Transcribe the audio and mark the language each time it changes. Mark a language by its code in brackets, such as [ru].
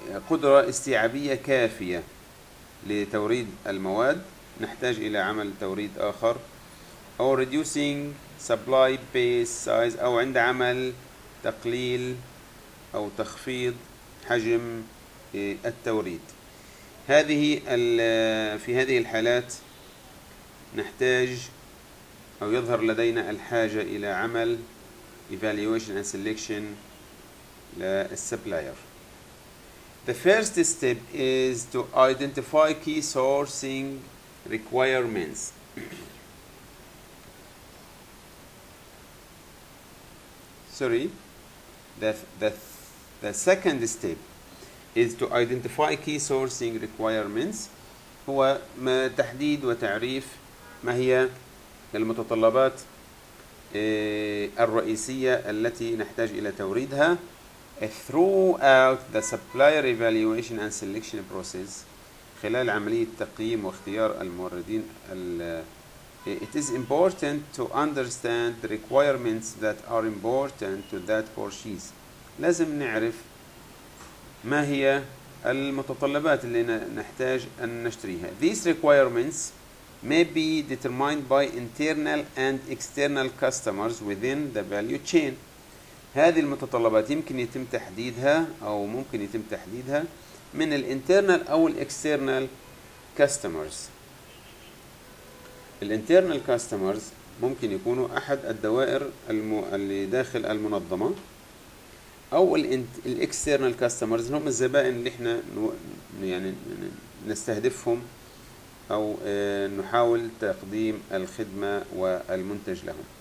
[ar] قدرة استيعابية كافية لتوريد المواد، نحتاج إلى عمل توريد آخر، أو [en] reducing supply base size، [ar] أو عند عمل تقليل أو تخفيض حجم التوريد. في هذه الحالات نحتاج أو يظهر لدينا الحاجة إلى عمل [en] evaluation and selection [ar] للسبلاير. [en] The first step is to identify key sourcing requirements. Sorry, the second step is to identify key sourcing requirements. [ar] هو ما تحديد وتعريف ما هي المتطلبات الرئيسية التي نحتاج إلى توريدها [en] throughout the supplier evaluation and selection process. [ar] خلال عملية تقييم واختيار الموردين. [en] It is important to understand the requirements that are important to that purchase. [ar] لازم نعرف ما هي المتطلبات اللي نحتاج أن نشتريها. [en] These requirements may be determined by internal and external customers within the value chain. [ar] هذه المتطلبات يمكن يتم تحديدها أو ممكن يتم تحديدها من الـ internal أو الـ [en] external customers. [ar] الـ [en] internal customers [ar] ممكن يكونوا أحد الدوائر اللي داخل المنظمة، أو الـ [en] external customers [ar] هم الزبائن اللي احنا يعني نستهدفهم أو نحاول تقديم الخدمة والمنتج لهم.